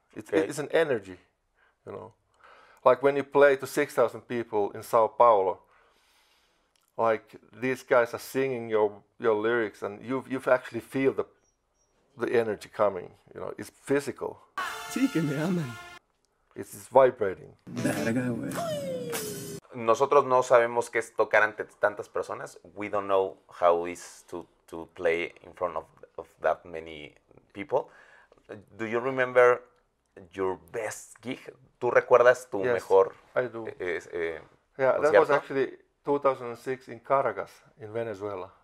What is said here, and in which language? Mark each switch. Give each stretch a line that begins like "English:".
English: It's an energy, you know. Like when you play to 6,000 people in Sao Paulo, like these guys are singing your lyrics and you've actually feel the energy coming, you know, it's physical. It's vibrating.
Spanish: Nosotros no sabemos qué es tocar ante tantas personas.
English: We don't know how it is to play in front of that many people. Do you remember your best gig?
Spanish: ¿Tú recuerdas tu
English: yes,
Spanish: mejor?
English: Yes, I do. Yeah, concierto? That was actually 2006 in Caracas, in Venezuela.